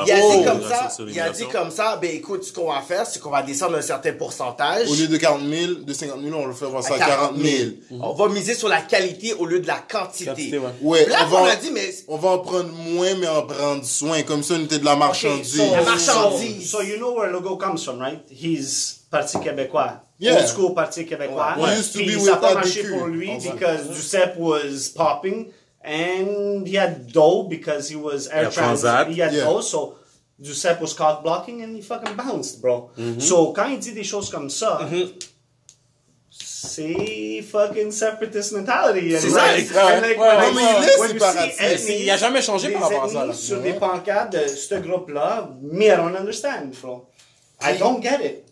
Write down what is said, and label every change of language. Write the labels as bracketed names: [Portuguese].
[French] rapport à l'immigration? Il a dit comme ça, ben écoute, ce qu'on va faire, c'est qu'on va descendre un certain pourcentage. Au lieu de 40 000, de 50 000, on va faire ça à 40 000. On va miser sur la qualité au lieu de la quantité. On va en prendre moins, mais en prendre soin, comme si on était de la marchandise. [English] So you know where Legault comes from, right? He's Parti québécois. Old school Parti québécois. [French] Puis ça n'a pas marché pour lui [English] because Duceppe was popping and he had dough because he was air transit. He had dough, so Duceppe was cock blocking and he fucking bounced, bro. Mm-hmm. [French] So quand il dit des choses comme ça, c'est [English] fucking separatist mentality. [French] C'est ça, il n'a jamais changé par rapport à ça. Sur des pancartes de ce groupe-là, mais [English] I don't understand, bro. I don't get it.